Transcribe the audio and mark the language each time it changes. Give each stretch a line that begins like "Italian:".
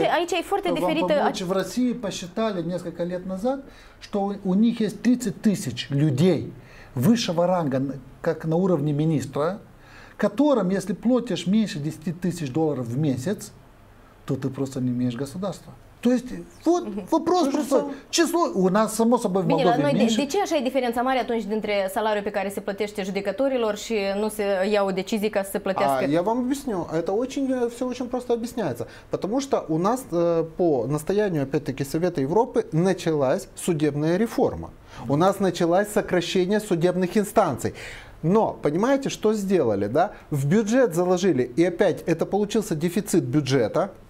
Russian: Вам помочь, в России посчитали несколько лет назад, что у них есть 30 тысяч людей высшего ранга, как на уровне министра, которым, если платишь меньше 10 тысяч долларов в месяц, то ты просто не имеешь государства. То есть, вот вопрос просто, число у нас, само собой, в Молдове
Romanian: Бine,
Russian: меньше.
Romanian: De ce așa e diferența mare atunci dintre salariul pe care se plătește judecătorilor și nu se iau decizii ca să se plătească?
Russian: Я вам объясню. Это очень, все очень просто объясняется. Потому что у нас по настоянию, опять-таки, Совета Европы началась судебная реформа. У нас началось сокращение судебных инстанций. Но, понимаете, что сделали, да? В бюджет заложили, и опять это получился дефицит бюджета.